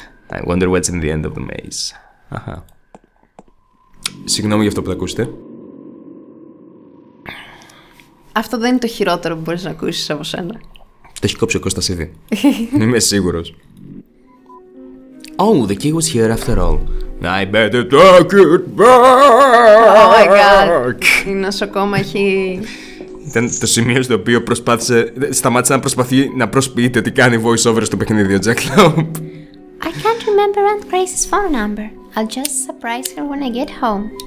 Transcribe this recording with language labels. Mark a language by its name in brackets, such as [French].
[English] I wonder what's in the end of the maze. [Greek] Συγγνώμη για αυτό που τα ακούσετε. Αυτό δεν είναι το χειρότερο που μπορείς να ακούσεις από σένα. Το έχει κόψει ο Κώστας ήδη. Είμαι σίγουρος. [English] Oh, the key was here after all. I better take it back. Oh my god. [Greek] Η νοσοκόμα έχει... Ήταν το σημείο στο οποίο προσπάθησε... Σταμάτησε να προσπαθεί να προσποιείται τι κάνει voice-over στο παιχνίδι ο Jack Lop. [English] I can't remember Aunt Grace's phone number. I'll just surprise her when I get home.